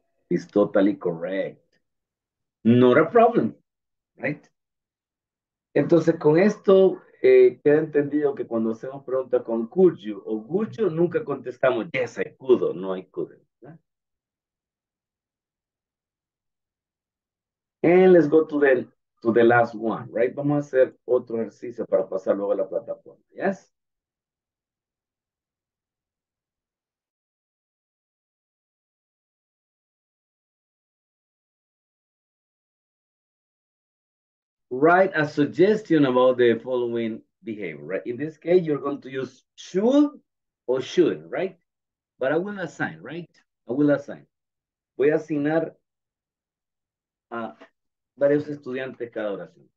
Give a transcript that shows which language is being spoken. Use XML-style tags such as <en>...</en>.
<en>It's totally correct. Not a problem, right?</en> <es>Entonces, con esto, queda entendido que cuando hacemos pregunta con could you o would you, nunca contestamos</es> <en>yes, I could,</en> <es>o</es> <en>no I couldn't. And let's go to the last one, right?</en> <es>Vamos a hacer otro ejercicio para pasar luego a la plataforma, yes?</es> <en>Write a suggestion about the following behavior, right? In this case, you're going to use should or shouldn't, right? But I will assign, right? I will assign.</en> <es>Voy a asignar a varios estudiantes cada oración.</es>